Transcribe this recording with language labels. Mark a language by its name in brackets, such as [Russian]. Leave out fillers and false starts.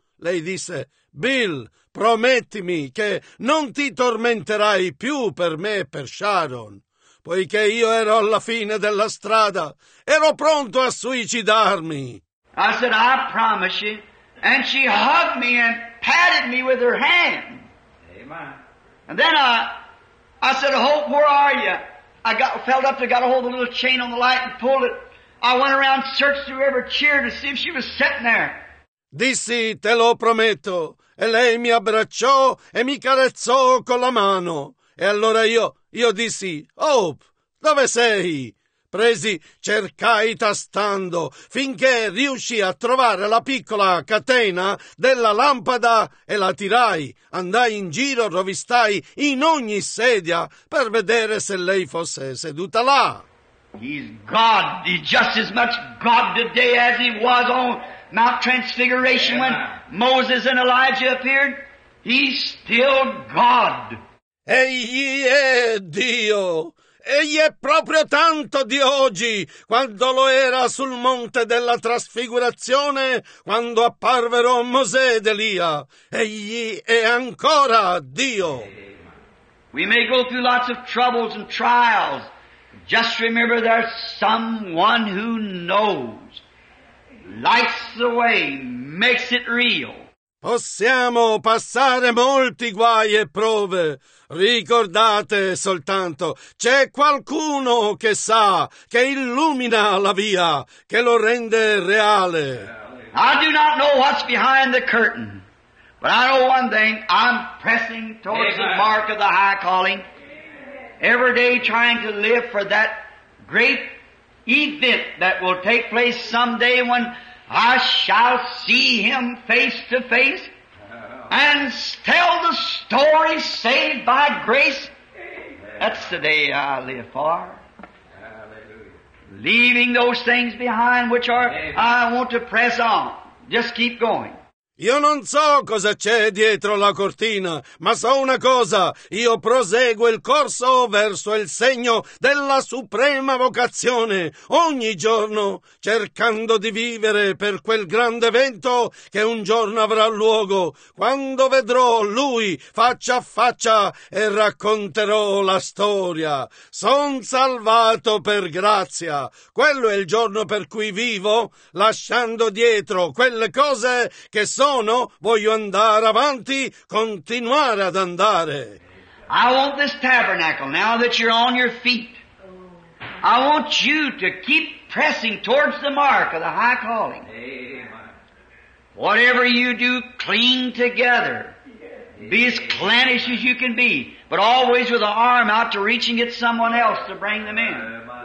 [Italian] Lei disse, Bill, promettimi che non ti tormenterai più per me e per Sharon. Poiché io ero alla fine della strada, ero pronto a suicidarmi. [English] I said, I promise you. And she hugged me and patted me with her hand. Amen. And then I said, Hope, where are you? I got felt up and got a hold of a little chain on the light and pulled it. I went around and searched through every chair to see if she was sitting there. [Italian] Dissi, te lo prometto. E lei mi abbracciò e mi carezzò con la mano. E allora io dissi, Hope, dove sei? Presi, cercai tastando, finché riuscii a trovare la piccola catena della lampada e la tirai. Andai in giro, rovistai in ogni sedia per vedere se lei fosse seduta là. [English] He's God. He's just as much God today as he was on Mount Transfiguration when Moses and Elijah appeared. He's still God. [Italian] Egli è Dio. Egli è proprio tanto di oggi quando lo era sul monte della trasfigurazione quando apparvero Mosè ed Elia. Egli è ancora Dio. [English] We may go through lots of troubles and trials. Just remember there's someone who knows, lights the way, makes it real. [Italian] Possiamo passare molti guai e prove. Ricordate soltanto, c'è qualcuno che sa, che illumina la via, che lo rende reale. [English] I do not know what's behind the curtain, but I know one thing, I'm pressing towards the mark of the high calling. Every day trying to live for that great event that will take place someday when I shall see him face to face and tell the story saved by grace. That's the day I live for. Leaving those things behind which are, I want to press on. Just keep going. [Italian] Io non so cosa c'è dietro la cortina, ma so una cosa, io proseguo il corso verso il segno della suprema vocazione, ogni giorno cercando di vivere per quel grande evento che un giorno avrà luogo, quando vedrò lui faccia a faccia e racconterò la storia. Son salvato per grazia, quello è il giorno per cui vivo, lasciando dietro quelle cose che sono. No, voglio andare avanti, continuare ad andare. [English] I want this tabernacle, now that you're on your feet, I want you to keep pressing towards the mark of the high calling. Amen. Whatever you do, cling together. Be as clannish as you can be, but always with an arm out to reaching at someone else to bring them in.